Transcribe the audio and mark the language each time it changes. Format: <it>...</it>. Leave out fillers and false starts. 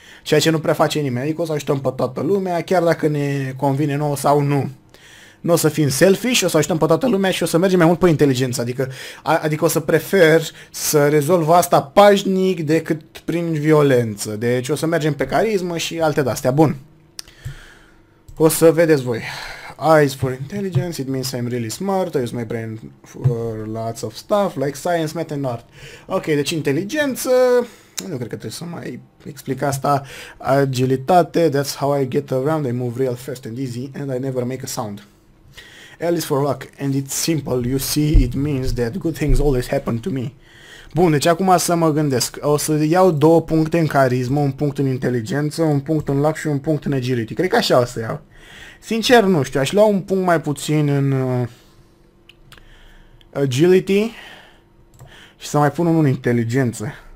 <ro>Ceea ce nu prea face nimeni, adică o să ajutăm pe toată lumea, chiar dacă ne convine nouă sau nu. Nu o să fim selfish, o să ajutăm pe toată lumea și o să mergem mai mult pe inteligență, adică, adică o să prefer să rezolv asta pașnic decât prin violență. Deci o să mergem pe carismă și alte de-astea. Bun. O să vedeți voi.</ro> <en>Eyes for intelligence, it means I'm really smart, I use my brain for lots of stuff, like science, math and art.</en> <ro>Ok, deci inteligență... Nu cred că trebuie să mai explic asta.</ro> <en>Agilitate, that's how I get around, I move real fast and easy and I never make a sound. L is for luck and it's simple, you see, it means that good things always happen to me.</en> <ro>Bun, deci acum să mă gândesc. O să iau două puncte în carismă, un punct în inteligență, un punct în luck și un punct în agility. Cred că așa o să iau. Sincer, nu știu, aș lua un punct mai puțin în agility și să mai pun unul în inteligență.</ro>